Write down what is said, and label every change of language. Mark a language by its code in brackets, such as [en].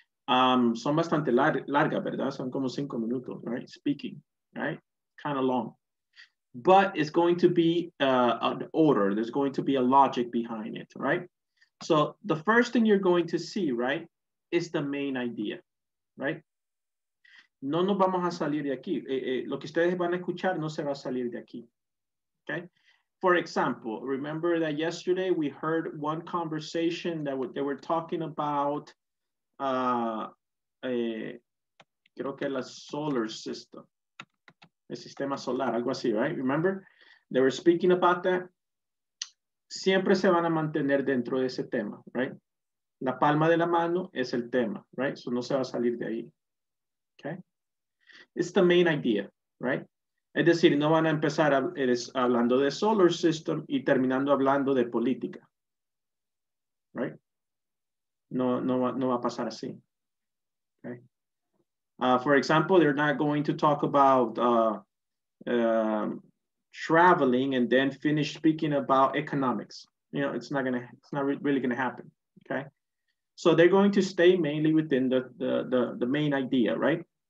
[es] Son bastante larga, ¿verdad? Son como 5 minutos, right? [en] Speaking, right? Kind of long. But it's going to be an order. There's going to be a logic behind it, right? So the first thing you're going to see, right, is the main idea. [es] Right? No nos vamos a salir de aquí. Lo que ustedes van a escuchar no se va a salir de aquí. [en] Okay? For example, remember that yesterday we heard one conversation that they were talking about, [es] creo que la solar system, el sistema solar, algo así, [en] right? Remember? They were speaking about that. [es] Siempre se van a mantener dentro de ese tema, right? La palma de la mano es el tema, right? So no se va a salir de ahí, okay? [en] It's the main idea, right? [es] Es decir, no van a empezar hablando de solar system y terminando hablando de política, right? No va a pasar así, okay? [en] For example, they're not going to talk about traveling and then finish speaking about economics. You know, it's not really gonna happen, okay? So they're going to stay mainly within the main idea, right?